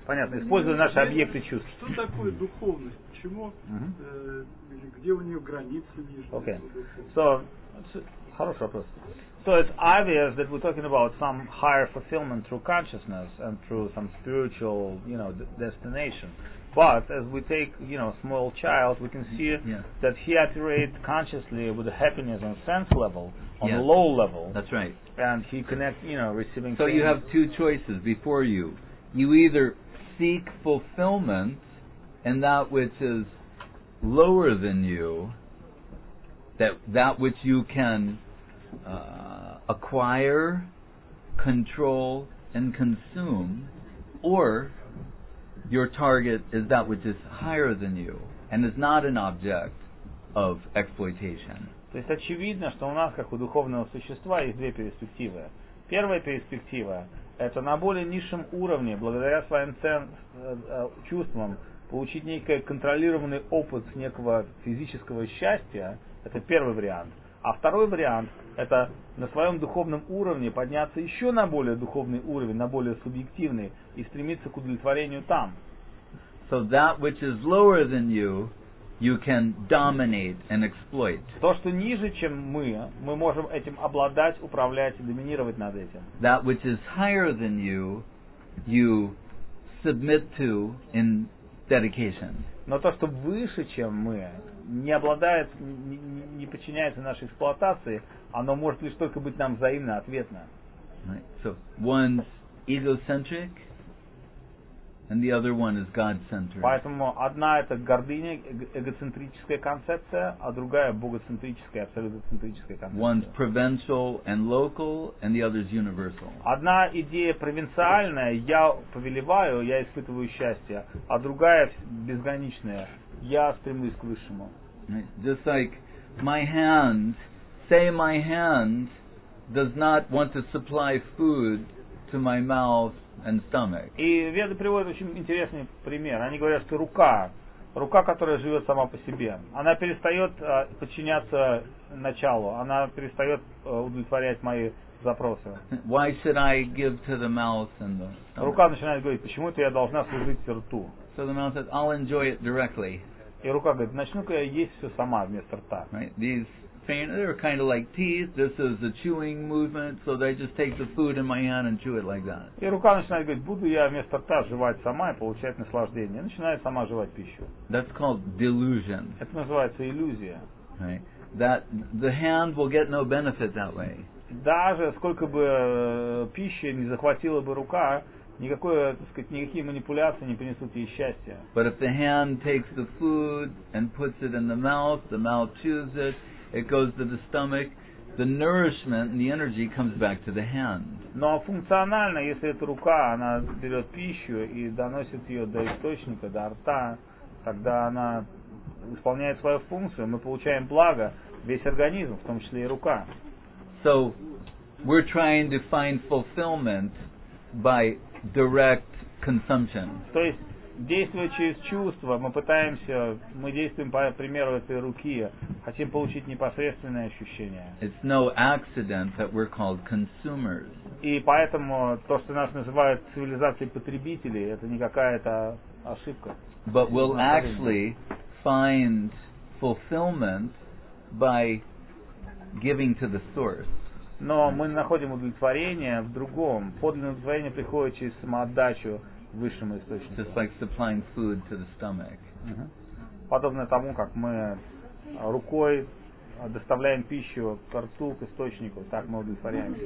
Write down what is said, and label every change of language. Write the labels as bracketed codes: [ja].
[ru] Понятно, используя наши объекты чувств. Что такое духовность? Почему? Или где у нее границы нижние? [en] Okay. So, [ru] хороший вопрос. [en] So it's obvious that we're talking about some higher fulfillment through consciousness and through some spiritual, you know, destination. But as we take, you know, a small child, we can see that he operates consciously with the happiness on sense level, on the low level. That's right. And he connects, you know, receiving. So you have two choices before you. You either seek fulfillment in that which is lower than you, that which you can acquire, control, and consume, or your target is that which is higher than you and is not an object of exploitation. [ru] То есть очевидно, что у нас, как у духовного существа, есть две перспективы. Первая перспектива – это на более низшем уровне, благодаря своим чувствам, получить некий контролированный опыт некого физического счастья. Это первый вариант. А второй вариант – это на своем духовном уровне подняться еще на более духовный уровень, на более субъективный, и стремиться к удовлетворению там. [en] So that which is lower than you, you can dominate and exploit. [ru] То, что ниже, чем мы можем этим обладать, управлять и доминировать над этим. [en] That which is higher than you, you submit to in dedication. [ru] Но то, что выше, чем мы, не обладает, не подчиняется нашей эксплуатации, оно может лишь только быть нам взаимно ответно. [en] Right. So, one's egocentric, And the other one is God-centered. [ru] Поэтому одна это гордыня, эгоцентрическая концепция, а другая богоцентрическая, абсолютоцентрическая концепция. [en] One's provincial and local, and the other's universal. [ru] Одна идея провинциальная, я повелеваю, я испытываю счастье, а другая безграничная, я стремлюсь к высшему. [en] Just like my hand, say my hand does not want to supply food to my mouth and stomach. [ru] И веды приводят очень интересный пример. Они говорят, что рука, которая живет сама по себе, она перестает подчиняться началу, она перестает удовлетворять мои запросы. [en] Why should I give to the mouth and the stomach? [ru] Рука начинает говорить, почему-то я должна служить рту. [en] So the mouth says, I'll enjoy it directly. [ru] И рука говорит, начну-ка я есть все сама вместо рта. [en] Right? They're kind of like teeth. This is a chewing movement, so they just take the food in my hand and chew it like that. [ru] И рука начинает говорить, буду я вместо рта жевать сама и получать наслаждение. Начинает сама жевать пищу. [en] That's called delusion. [ru] Это называется иллюзия. [en] Right. That the hand will get no benefit that way. [ru] Даже сколько бы пищи не захватила бы рука, никакое, так сказать, никакие манипуляции не принесут ей счастья. [en] But if the hand takes the food and puts it in the mouth chews it. It goes to the stomach. The nourishment and the energy comes back to the hand. [ru] Но функционально, если эта рука, она берет пищу и доносит ее до источника, до рта, тогда она исполняет свою функцию. Мы получаем благо весь организм, в том числе и рука. [en] So we're trying to find fulfillment by direct consumption. [ru] То есть действуя через чувства, мы действуем по примеру этой руки, хотим получить непосредственное ощущение. [en] It's no accident that we're called consumers. [ru] И поэтому то, что нас называют цивилизацией потребителей, это не какая-то ошибка. [en] But we'll actually find fulfillment by giving to the source. [ru] Но мы находим удовлетворение в другом. Подлинное удовлетворение приходит через самоотдачу. [en] Just like supplying food to the stomach. [ru] Подобно тому, как мы рукой доставляем пищу к рту, к источнику, так мы удовлетворяемся.